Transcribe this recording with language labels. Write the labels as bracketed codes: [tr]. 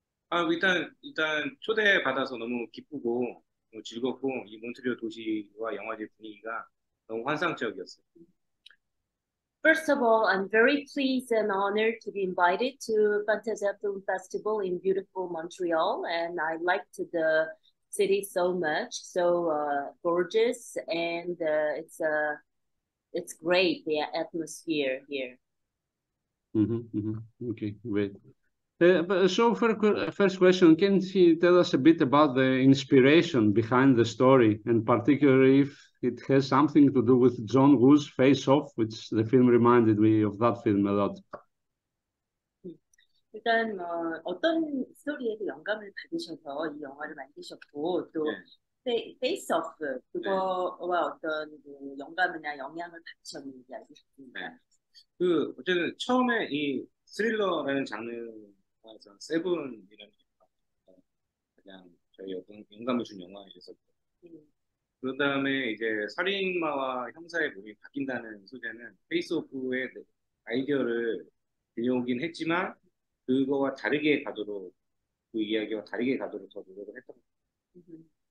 [ko] Ah, 일단 초대 받아서 너무 기쁘고 너무 즐겁고 이 몬트리올 도시와 영화제 분위기가 너무 환상적이었어요. [en] First of all, I'm very pleased and honored to be invited to Fantasia Film Festival in beautiful Montreal, and I liked the city so much, so gorgeous, and it's great, the atmosphere here. Okay, great. First question, can you tell us a bit about the inspiration behind the story, and particularly if it has something to do with John Woo's Face Off, which the film reminded me of that film a lot? [ko] 일단 어떤 스토리에서 영감을 받으셔서 이 영화를 만드셨고 또 Face Off 그거와 어떤 그 영감이나 영향을 받으셨는지 알고 싶습니다. 그 어쨌든 처음에 이 스릴러라는 장르에서 세븐이라는 가장 저희 어떤 영감을 준 영화에서 그 다음에 이제 살인마와 형사의 몸이 바뀐다는 소재는 Face Off의 아이디어를 빌려오긴 했지만 그거와 다르게 가도록 그 이야기와 다르게 가도록 더 노력을 했던 것 같아요.